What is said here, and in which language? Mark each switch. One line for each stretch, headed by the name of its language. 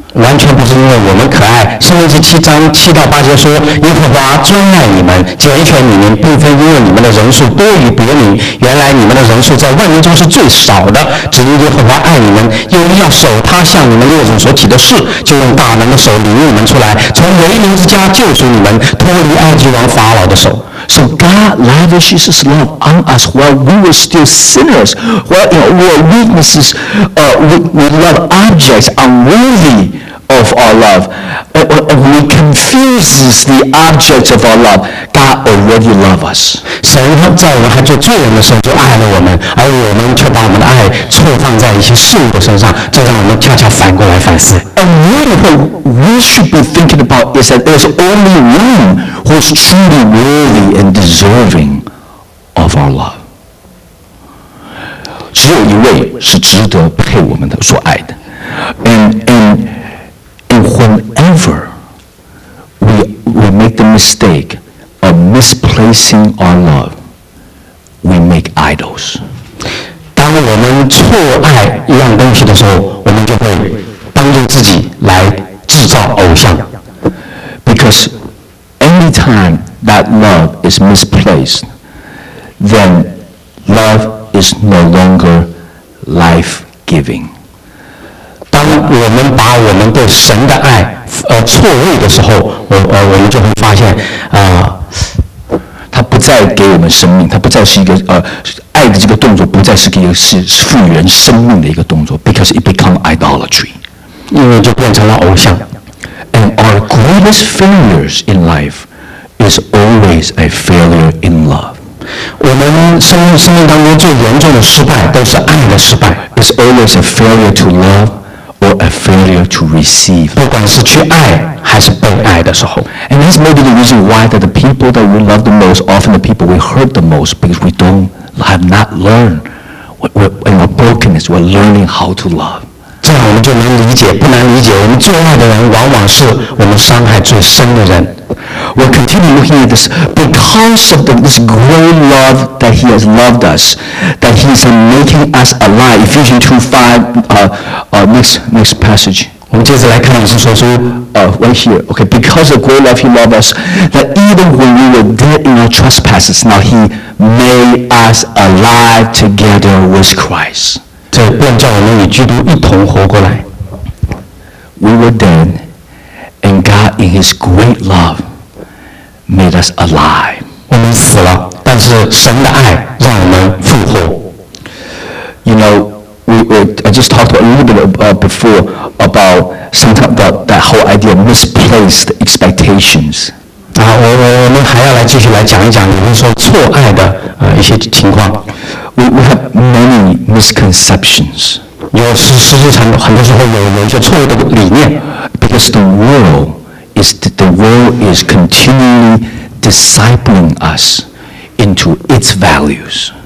Chinese: 完全不是因为我们可爱。圣经7:7-8说，耶和华钟爱你们，拣选你们，并非因为你们的人数多于别民，原来你们的人数在万民中是最少的，只因耶和华爱你们，又要守他向你们列祖所起的誓，就用大能的手领你们出来，从为民之家救赎你们，脱离埃及王法老的手。
English: So God lavishes His love on us while we were still sinners, while we were weaknesses, we love objects unworthy of our love, and we confuse the objects of our love. God already loves us.
Chinese: 神在我们还做罪人的时候就爱了我们，而我们却把我们的爱错放在一些事物的身上，这让我们恰恰反过来反思。
English: And really what we should be thinking about is that there's only one. Who's truly worthy and deserving of our love?
Chinese: 只有一位是值得配我们的所爱的。
English: And whenever we make the mistake of misplacing our love, we make idols.
Chinese: 当我们错爱一样东西的时候，我们就会帮助自己来制造偶像。
English: Because. Anytime that love is misplaced, then love is no longer life-giving.
Chinese: 当我们把我们对神的爱错位的时候，我们就会发现它不再给我们生命，它不再是一个爱的这个动作不再是一个是赋予人生命的一个动作
English: ，because it becomes idolatry.
Chinese: 因为就变成了偶像。
English: And our greatest failures in life. Is always a failure in love.
Chinese: 我们生命当中最严重的失败都是爱的失败。
English: It's always a failure to love or a failure to receive.
Chinese: 不管是去爱还是被爱。的时候。
English: And this may be the reason why that the people that we love the most, often the people we hurt the most, because we don't have not learned what we're, in our brokenness, we're learning how to love.
Chinese: 这样我们就能理解，不难理解。我们最爱的人，往往是我们伤害最深的人。
English: We'll continue looking at this because of this great love that He has loved us, that He is making us alive. Ephesians 2:5, next passage.
Chinese: 我们接着来看，是说出
English: right here. Okay, because of great love He loved us, that even when we were dead in our trespasses, now He made us alive together with Christ.
Chinese: 便叫我们与基督一同活过来。
English: We were dead, and God in His great love made us alive.
Chinese: 我们死了，但是神的爱让我们复活。
English: You know, I just talked a little bit before about sometimes about that whole idea of misplaced expectations.
Chinese: 我们还要来继续来讲一讲，比如说错爱的一些情况。
English: We have many misconceptions.
Chinese: 实际上很多时候有一些错误的理念。
English: Because the world is continually discipling us into its values.